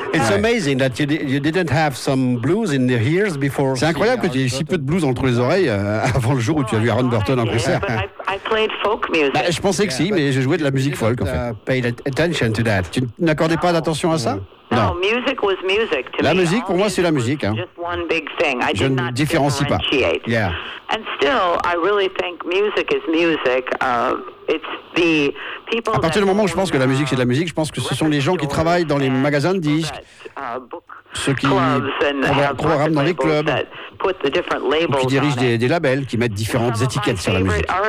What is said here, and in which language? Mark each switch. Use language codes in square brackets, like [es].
[en] It's amazing that you didn't have some blues in your ears before. [fr] C'est incroyable que tu aies si peu de blues entre les oreilles avant le jour où tu as vu Aaron Burton en concert. [en] I played folk music. [fr] Je pensais que si, mais je jouais de la musique folk en fait. [en] Paid attention to that. [fr] Tu n'accordais pas d'attention à ça? [en] Non. Music was music to me. [fr] La musique pour moi c'est la musique. [en] Just one big thing. [fr] Je ne différencie pas. [en] Yeah. And still, I really think music is music. It's the people. [fr] À partir du moment où je pense que la musique c'est de la musique, je pense que ce sont les gens qui travaillent dans les magasins de disques, ceux qui programment dans les clubs, ou qui dirigent des labels, qui mettent différentes étiquettes sur la musique.